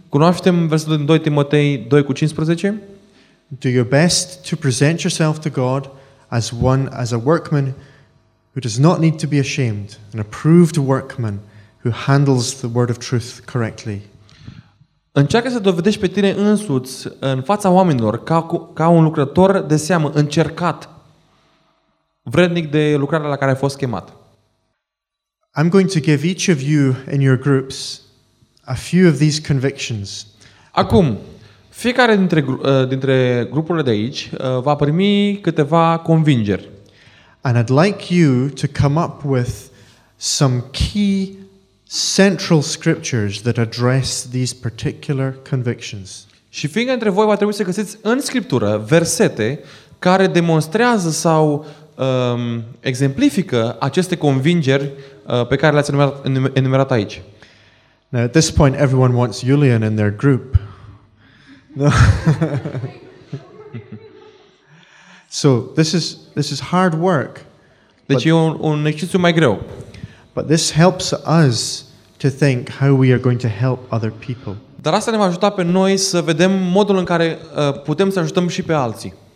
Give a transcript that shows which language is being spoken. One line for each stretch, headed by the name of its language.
Romanian: Cunoaștem versetul din 2 Timotei 2:15?
English: Do your best to present yourself to God as a workman who does not need to be ashamed, an approved workman who handles the word of truth correctly.
Romanian: Încearcă să dovedești pe tine însuți în fața oamenilor ca un lucrător de seamă, încercat, vrednic de lucrarea la care ai fost chemat.
English: I'm going to give each of you in your groups a few of these convictions.
Romanian: Acum, fiecare dintre grupurile de aici va primi câteva convingeri.
English: And I'd like you to come up with some key central scriptures that address these particular convictions.
Romanian: Și fiecare dintre voi va trebui să găsiți în scriptură versete care demonstrează sau exemplifică aceste convingeri pe care le-ați enumerat aici.
English: Now, at this point, everyone wants Julian in their group. So, this is hard work.
Romanian: Deci e un exercițiu mai greu.
English: But this helps us to think how we are going to help other people.
Romanian: Dar asta ne va ajuta pe noi să vedem modul în care putem să ajutăm și pe alții.